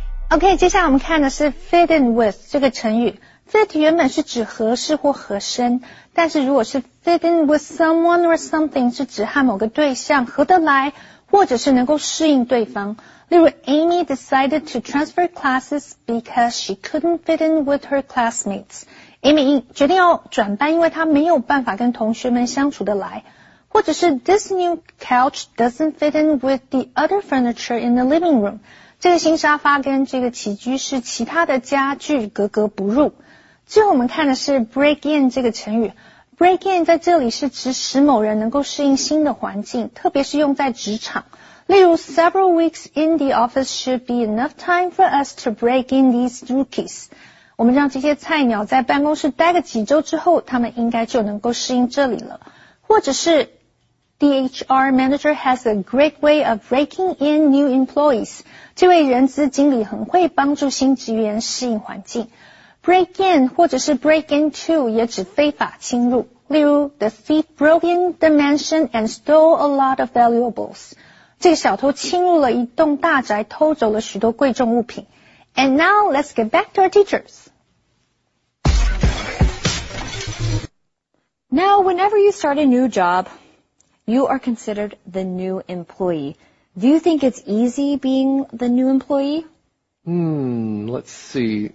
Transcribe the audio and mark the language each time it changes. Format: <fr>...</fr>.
<zh>OK， 接下来我们看的是 fit in with 这个成语。fit 原本是指合适或合身，但是如果是</zh> <en>fit in with someone or something</en> <zh>是指和某个对象合得来，或者是能够适应对方。例如</zh> <en>，Amy decided to transfer classes because she couldn't fit in with her classmates。</en> <zh>Amy 决定要转班，因为她没有办法跟同学们相处得来。或者是</zh> <en>this new couch doesn't fit in with the other furniture in the living room。</en> <zh>这个新沙发跟这个起居室其他的家具格格不入。最后我们看的是 break in 这个成语。break in 在这里是指使某人能够适应新的环境，特别是用在职场。例如</zh> <en>several weeks in the office should be enough time for us to break in these rookies。</en> <zh>我们让这些菜鸟在办公室待个几周之后，他们应该就能够适应这里了。或者是</zh> <en>the HR manager has a great way of breaking in new employees。</en> <zh>这位人资经理很会帮助新职员适应环境。 Break in 或者是 break into 也指非法侵入。例如</zh> <en>,the thief broke in the mansion and stole a lot of valuables。</en> <zh>这个小偷侵入了一栋大宅，偷走了许多贵重物品。</zh> <en>And now, let's get back to our teachers. Now, whenever you start a new job, you are considered the new employee. Do you think it's easy being the new employee? Let's see.</en>